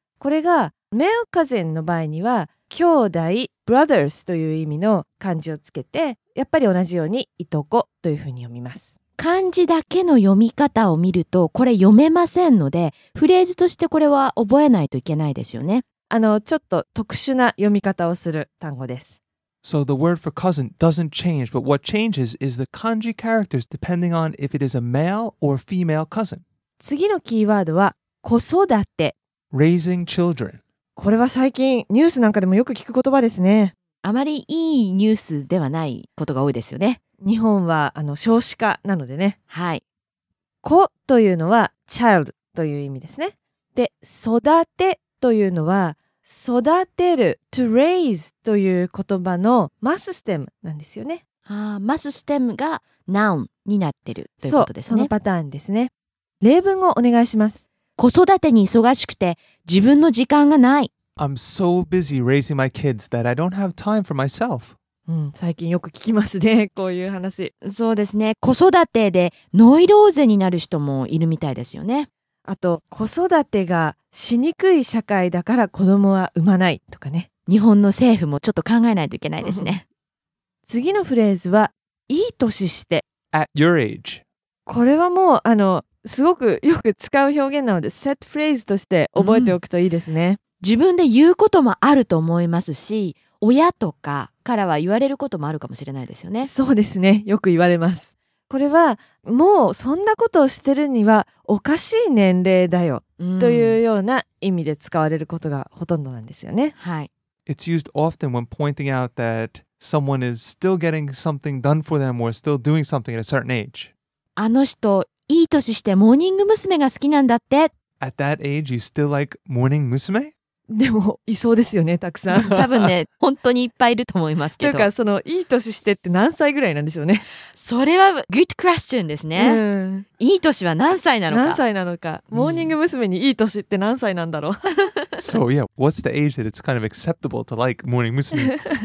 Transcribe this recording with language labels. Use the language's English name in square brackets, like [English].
[Japanese] これが [English] male cousin [Japanese] の場合には兄弟 [English] brothers [Japanese] という意味の漢字をつけて、やっぱり同じようにいとこというふうに読みます。漢字だけの読み方を見るとこれ読めませんので、フレーズとしてこれは覚えないといけないですよね。ちょっと特殊な読み方をする単語です。 [English] So the word for cousin doesn't change, but what changes is the kanji characters depending on if it is a male or female cousin. [Japanese] 次のキーワードは子育て。 [English] Raising children. [Japanese] これは最近ニュースなんかでもよく聞く言葉ですね。あまりいいニュースではないことが多いですよね。日本は少子化なのでね。はい。子というのは [English] child [Japanese] という意味ですね。で、育てというのは育てる、 [English] to raise [Japanese] という言葉のマスステムなんですよね。あ、マスステムが [English] noun [Japanese] になってるということですね。そう、そのパターンですね。例文をお願いします。子育てに忙しくて自分の時間がない。 [English] I'm so busy raising my kids that I don't have time for myself。 [Japanese] 最近よく聞きますねこういう話。そうですね、子育てでノイローゼになる人もいるみたいですよね。あと子育てがしにくい社会だから子供は産まないとかね。日本の政府もちょっと考えないといけないですね。次のフレーズはいい年して。 [English] At your age。 [Japanese] これはもうすごくよく使う表現なので、 [English] set phrase [Japanese] として覚えておくといいですね、ん、自分で言うこともあると思いますし、親とかからは言われることもあるかもしれないですよね。そうですね、よく言われます。これはもうそんなことをしてるにはおかしい年齢だよというような意味で使われることがほとんどなんですよね、はい、 [English] It's used often when pointing out that someone is still getting something done for them or still doing something at a certain age. [Japanese] あの人いい年してモーニング娘が好きなんだって。 [English] At that age you still like morning 娘? [Japanese] でもいそうですよね、たくさん多分ね本当にいっぱいいると思いますけど、というかそのいい年してって何歳ぐらいなんでしょうね。それは [English] good question [Japanese] ですね、うん、いい年は何歳なのか、何歳なのか、モーニング娘にいい年って何歳なんだろう。 [English] So yeah, what's the age that it's kind of acceptable to like morning 娘。